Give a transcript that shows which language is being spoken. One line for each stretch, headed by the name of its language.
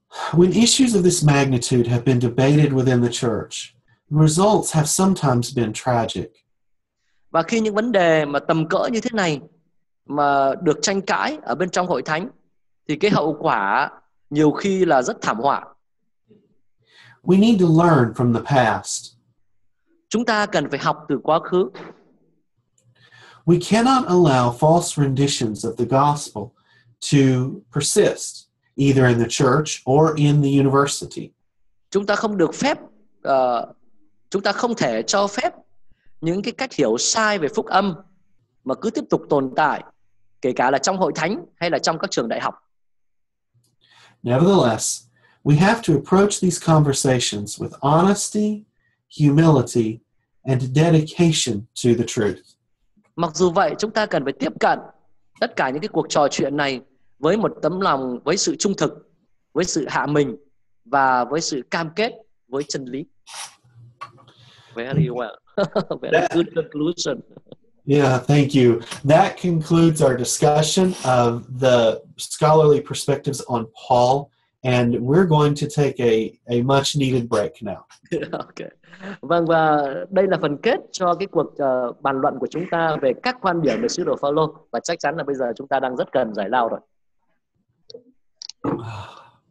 English: When issues of this magnitude have been debated within the church, results have sometimes been tragic.
Vietnamese: Và khi những vấn đề mà tầm cỡ như thế này mà được tranh cãi ở bên trong hội thánh thì cái hậu quả nhiều khi là rất thảm họa.
English: We need to learn from the past.
Vietnamese: Chúng ta cần phải học từ quá khứ.
English: We cannot allow false renditions of the gospel to persist either in the church or in the university.
Vietnamese: Chúng ta không được phép chúng ta không thể cho phép những cái cách hiểu sai về phúc âm mà cứ tiếp tục tồn tại kể cả là trong hội thánh hay là trong các trường đại học.
English: Nevertheless, we have to approach these conversations with honesty, humility and dedication to the truth.
Vietnamese: Mặc dù vậy, chúng ta cần phải tiếp cận tất cả những cái cuộc trò chuyện này với một tấm lòng, với sự trung thực, với sự hạ mình và với sự cam kết với chân lý.
English: Very well. Very that, good conclusion. Yeah, thank you. That concludes our discussion of the scholarly perspectives on Paul, and we're going to take a much needed break now. Okay.
Vietnamese: Vâng, và đây là phần kết cho cái cuộc bàn luận của chúng ta về các quan điểm về sứ đồ Phaolô, và chắc chắn là bây giờ chúng ta đang rất cần giải lao rồi.